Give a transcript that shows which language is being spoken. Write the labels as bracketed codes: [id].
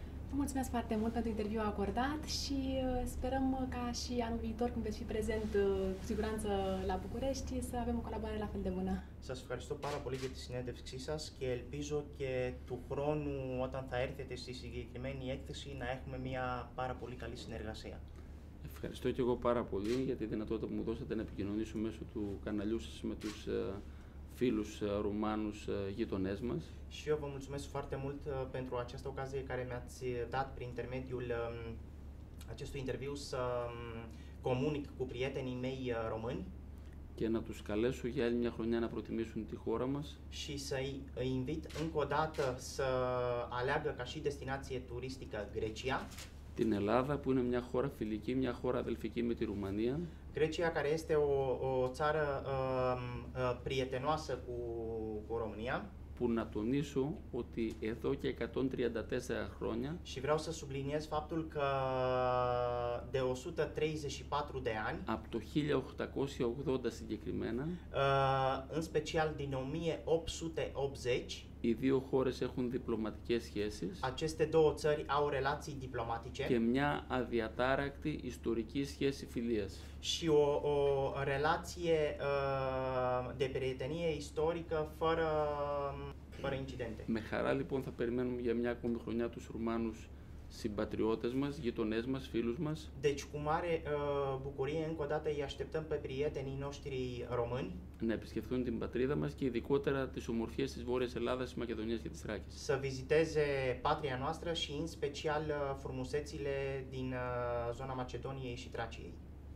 [ro] Mulțumesc foarte mult pentru interviul acordat și sperăm ca și anul viitor, când veți fi prezent cu siguranță la București, să avem o colaborare la fel de bună. [el] Σας ευχαριστώ πάρα πολύ για τη συνέντευξή σας και ελπίζω και του χρόνου όταν θα έρθετε στη συγκεκριμένη έκθεση να έχουμε μια πάρα πολύ καλή συνεργασία. Ευχαριστώ και εγώ πάρα πολύ για τη δυνατότητα που μου δώσατε να επικοινωνήσω μέσω του καναλιού σας με τους φίλους Ρουμάνους γειτονές μας. [ro] Și eu vă mulțumesc foarte mult pentru această ocazie care mi-ați dat prin intermediul acestui interviu să comunic cu prietenii mei români. [el] Και να τους καλέσω για άλλη μια χρονιά να προτιμήσουν τη χώρα μας. [ro] Și să îi invit încă o dată să aleagă ca și destinație turistică Grecia. [el] Την Ελλάδα που είναι μια χώρα φιλική, μια χώρα αδελφική με τη Ρουμανία. [ro] Grecia, care este o țară prietenoasă cu România. [el] Που να τονίσω ότι εδώ και 134 χρόνια. [ro] Și vreau să subliniez faptul că de 134 de ani. [el] Από το 1880 συγκεκριμένα. [ro] În special din 1880. [el] Οι δύο χώρες έχουν διπλωματικές σχέσεις. [ro] Aceste două țări au relații diplomatice. [el] Και μια αδιατάρακτη ιστορική σχέση φιλίας. [ro] Și o relație de prietenie istorică fără incidente. [el] Με χαρά λοιπόν θα περιμένουμε για μια ακόμη χρονιά τους Ρουμάνους συμπατριώτες μας, γειτονές μας, φίλους μας. [ro] Deci cu mare bucurie încă o dată îi așteptăm pe prietenii noștri români. [el] Να επισκεφθούν την πατρίδα μας και ειδικότερα τις ομορφιές της Βόρειας Ελλάδας, της Μακεδονίας και της Θράκης. [ro] Să viziteze patria noastră și în special frumusețile din zona Macedoniei și Traciei.